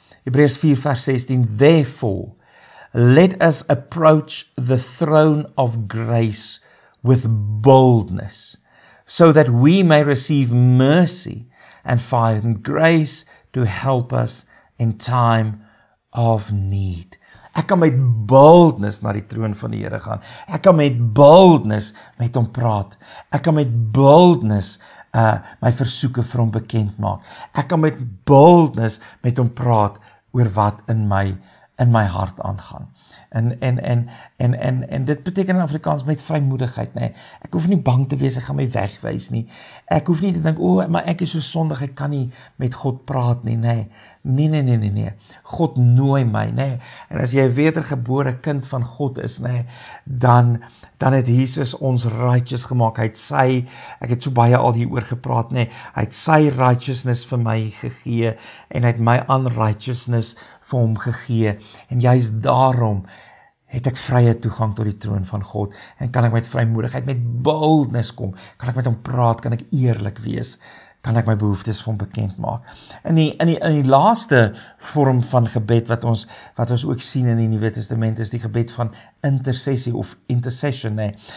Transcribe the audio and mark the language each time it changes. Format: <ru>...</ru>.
<en>Hebreërs 4 vers 16, Therefore, let us approach the throne of grace with boldness, so that we may receive mercy and find grace to help us in time of need.</en> <af>Ek kan met boldness na die troon van die Here gaan. Ek kan met boldness met hom praat. Ek kan met boldness my versoeke vir hom bekend maak. Ek kan met boldness met hom praat oor wat in my hart aangaan. En dit beteken in Afrikaans met vrymoedigheid, nê. Ek hoef nie bang te wees, ek gaan my wegwys nie. Ek hoef nie te dink, maar ek is so sondig, ek kan nie met God praat nie, nê. Nee. God nooi my, nê. En as jy 'n wedergebore kind van God is, nê, dan het Jesus ons righteous gemaak. Ek het so baie al hieroor gepraat, nê. Hy het sy righteousness vir my gegee en hy het my unrighteousness vir hom gegee. En juist daarom het ek vrye toegang tot die troon van God en kan ek met vrymoedigheid, met boldness kom. Kan ek met hom praat, kan ek eerlik wees, kan ek my behoeftes vir hom bekend maak. In die laaste vorm van gebed wat ons ook sien in die Nuwe Testament is die gebed van intercessie of intercession, nê.</af>